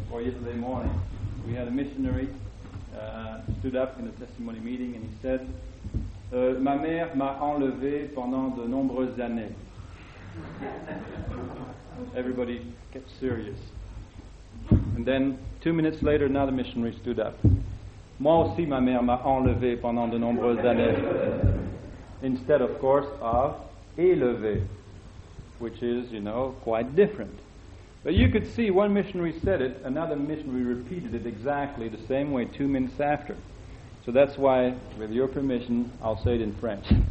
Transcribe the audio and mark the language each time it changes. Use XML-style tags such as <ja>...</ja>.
<en>Or yesterday morning. We had a missionary stood up in a testimony meeting, and he said,</en> <fr>ma mère m'a enlevé pendant de nombreuses années.</fr> <en>Everybody kept serious. And then 2 minutes later, another missionary stood up.</en> <fr>Moi aussi, ma mère m'a enlevé pendant de nombreuses années.</fr> <en>Instead, of course, of élevé, which is, you know, quite different. But you could see one missionary said it, another missionary repeated it exactly the same way 2 minutes after. So that's why, with your permission, I'll say it in French.</en>